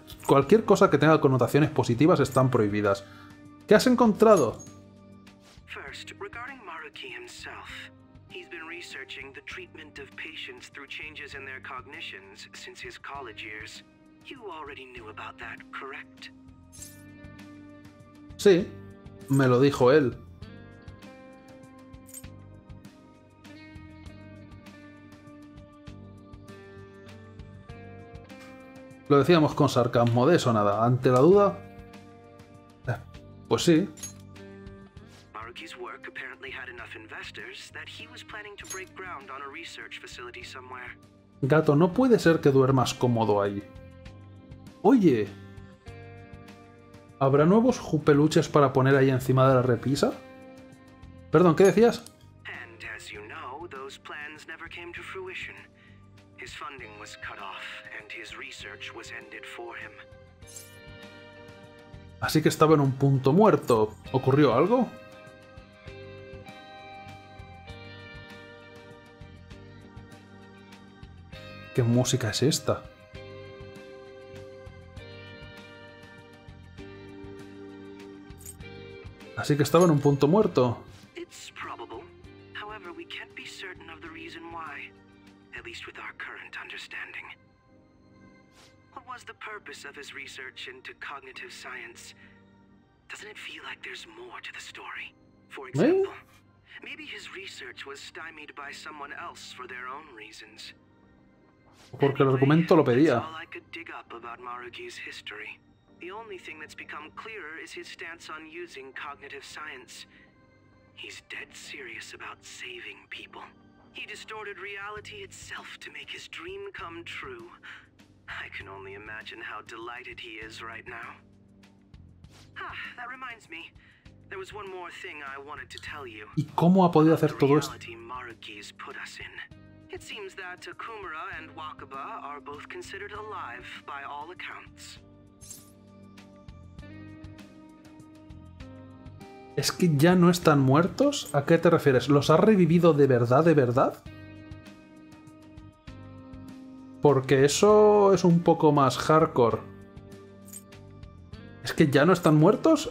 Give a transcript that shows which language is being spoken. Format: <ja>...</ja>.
<es>Cualquier cosa que tenga connotaciones positivas están prohibidas. ¿Qué has encontrado?</es> <en>First, regarding Maruki himself, he's been researching the treatment of patients through changes in their cognitions since his college years. You already knew about that, correct?</en> <es>Sí, me lo dijo él. Lo decíamos con sarcasmo, de eso nada. Ante la duda... Pues sí.</es> <en>Maruki's work apparently had enough investors that he was planning to break ground on a research facility somewhere.</en> <es>Gato, no puede ser que duermas cómodo ahí. Oye, ¿habrá nuevos peluches para poner ahí encima de la repisa? Perdón, ¿qué decías?</es> <en>And as you know, those plans never came to fruition. His funding was cut off and his research was ended for him.</en> <es>Así que estaba en un punto muerto. ¿Ocurrió algo? ¿Qué música es esta? Así que estaba en un punto muerto. Es probable.</es> <en>However, we can't be certain of the reason why, at least with our current understanding. What was the purpose of his research into cognitive science? Doesn't it feel like there's more to the story? For example, maybe his research was stymied by someone else for their own reasons.</en> <es>Porque el argumento lo pedía.</es> <en>That's all I could dig up about Marugi's history. The only thing that's become clearer is his stance on using cognitive science. He's dead serious about saving people. He distorted reality itself to make his dream come true. I can only imagine how delighted he is right now. Ah, that reminds me. There was one more thing I wanted to tell you.</en> <es>¿Y cómo ha podido hacer todo esto?</es> <en>The reality Marugi's put us in. It seems that Akumura and Wakaba are both considered alive by all accounts.</en> <es>¿Es que ya no están muertos? ¿A qué te refieres? ¿Los ha revivido de verdad, de verdad? Porque eso es un poco más hardcore. ¿Es que ya no están muertos?</es>